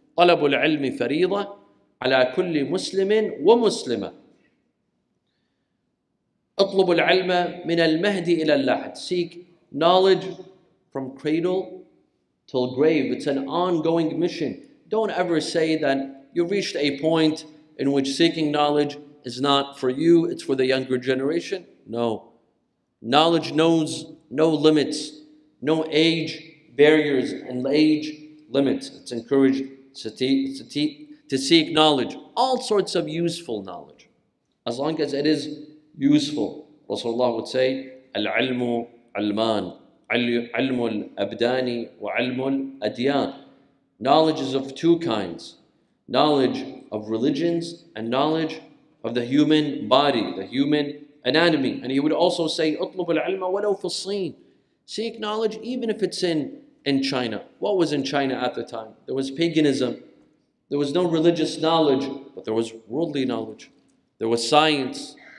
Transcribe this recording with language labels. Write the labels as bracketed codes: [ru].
[ar] طَلَبُ الْعِلْمِ فَرِيضَةٌ عَلَى كُلِّ مُسْلِمٍ وَمُسْلِمَةٍ اطلب العلم من المهدي الى اللحد [en] seek knowledge from cradle till grave it's an ongoing mission don't ever say that you reached a point in which seeking knowledge is not for you it's for the younger generation no knowledge knows no limits no age barriers and age limits it's encouraged to seek knowledge all sorts of useful knowledge as long as it is useful. Rasulullah would say, [ar] العلم علمان علم الأبدان وعلم الأديان. [en] Knowledge is of two kinds. Knowledge of religions and knowledge of the human body, the human anatomy. And he would also say, [ar] اطلب العلم ولو في الصين. [en] Seek knowledge even if it's in China. What was in China at the time? There was paganism. There was no religious knowledge, but there was worldly knowledge. There was science.